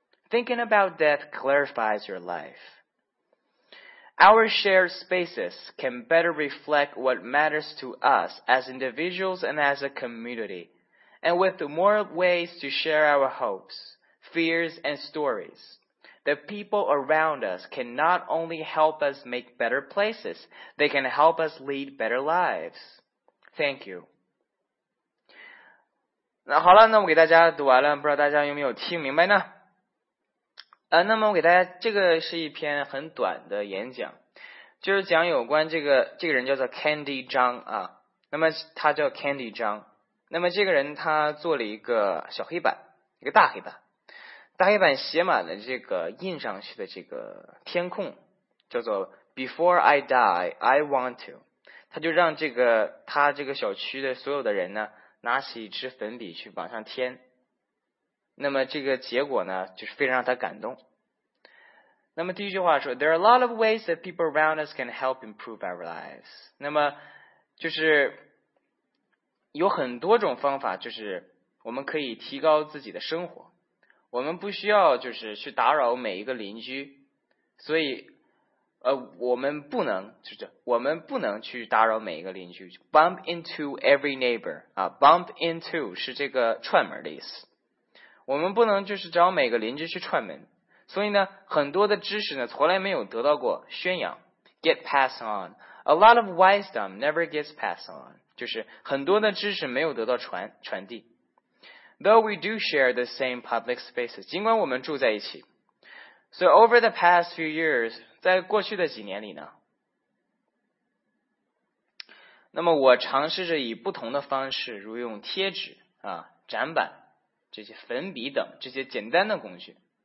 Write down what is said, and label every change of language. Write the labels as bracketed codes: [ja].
[en] Thinking about death clarifies your life. Our shared spaces can better reflect what matters to us as individuals and as a community. And with more ways to share our hopes, fears, and stories, the people around us can not only help us make better places, they can help us lead better lives. Thank you. [zh] 那好了，那我给大家读完了，不知道大家有没有听明白呢？那么我给大家，这个是一篇很短的演讲，就是讲有关这个人叫做 Candy Zhang 啊，那么他叫 Candy Zhang， 那么这个人他做了一个小黑板，一个大黑板。大黑板写满了这个印上去的这个填空，叫做 [en] Before I die, I want to。 [zh] 他就让这个他这个小区的所有的人呢，拿起一支粉笔去往上填。那么这个结果呢，就是非常让他感动。那么第一句话说 [en] There are a lot of ways that people around us can help improve our lives。 [zh] 那么就是有很多种方法，就是我们可以提高自己的生活，我们不需要就是去打扰每一个邻居，所以我们不能去打扰每一个邻居。 [en] Bump into every neighbor [zh] 啊 ，bump into 是这个串门的意思。我们不能就是找每个邻居去串门，所以呢，很多的知识呢从来没有得到过宣扬。 [en] Get passed on, a lot of wisdom never gets passed on， [zh] 就是很多的知识没有得到传递。 [en] Though we do share the same public spaces, [zh] 尽管我们住在一起。 [en] So over the past few years, [zh] 在过去的几年里呢，那么我尝试着以不同的方式，如用贴纸、展板、这些粉笔等这些简单的工具。